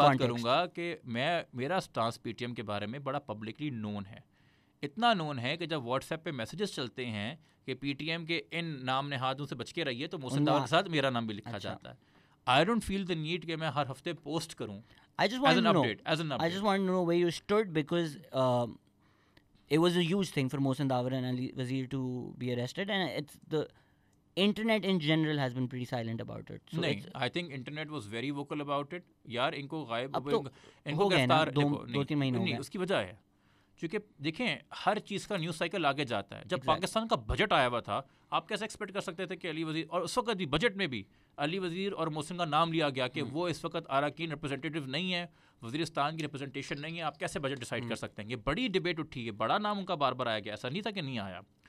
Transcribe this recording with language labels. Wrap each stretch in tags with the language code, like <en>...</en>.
<ur>میں بات کروں گا کہ میں, میرا سٹانس پی ٹی ایم کے بارے میں بڑا پبلکلی نون ہے, اتنا نون ہے کہ جب واٹس ایپ پہ میسیجز چلتے ہیں کہ پی ٹی ایم کے ان نام نہادوں سے بچ کے رہیے, تو موسن داور کے ساتھ میرا نام بھی لکھا جاتا ہے.</ur> <en>I don't feel the need</en> <ur>کہ میں ہر ہفتے پوسٹ کروں.</ur> <en>I just want to know where you stood, because it was a huge thing for Mohsin Dawar and Ali Wazir to be arrested, and it's the internet in general has been pretty silent about it. So I think internet was very vocal about it.</en> <ur>یار ان کو غائب, ان کو گرفتار, دو تین مہینے ہو گئے, اس کی وجہ ہے چونکہ دیکھیں ہر چیز کا نیوز سائیکل آگے جاتا ہے. جب پاکستان کا بجٹ آیا ہوا تھا, آپ کیسے ایکسپیکٹ کر سکتے تھے کہ علی وزیر, اور اس وقت بھی بجٹ میں بھی علی وزیر اور محسن کا نام لیا گیا کہ وہ اس وقت اراکین ریپرزینٹیٹو نہیں ہے, وزیرستان کی ریپرزینٹیشن نہیں ہے, آپ کیسے بجٹ ڈیسائیڈ کر سکتے ہیں؟ یہ بڑی ڈبیٹ اٹھی ہے, بڑا نام ان کا بار بار آیا گیا, ایسا نہیں تھا کہ نہیں آیا.</ur>